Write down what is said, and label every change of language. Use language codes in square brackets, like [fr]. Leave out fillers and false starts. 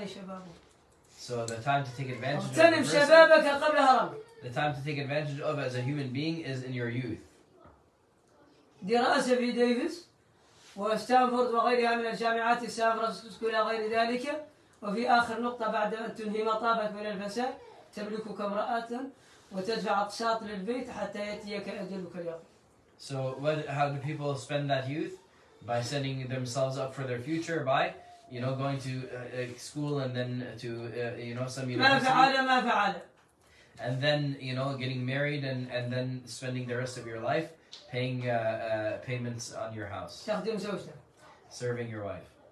[en] That's right. So the time to take advantage of the person. [ar] شبابك قبل هرم. [en] The time to take advantage of as a human being is in your youth. [ar] دراسة في ديفيس وستانفورد وغيرها من الجامعات السافرة غير ذلك وفي آخر نقطة بعد أن تنهي مطافك من الفساد تملكك امرأة وتدفع اقساط للبيت حتى يأتيك أجلك اليقين. [en] So what, how do people spend that youth? By setting themselves up for their future by, you know, going to school and then to, you know, some university. [ar] ما فعل. [en] And then, you know, getting married and then spending the rest of your life paying payments on your house. Serving your wife.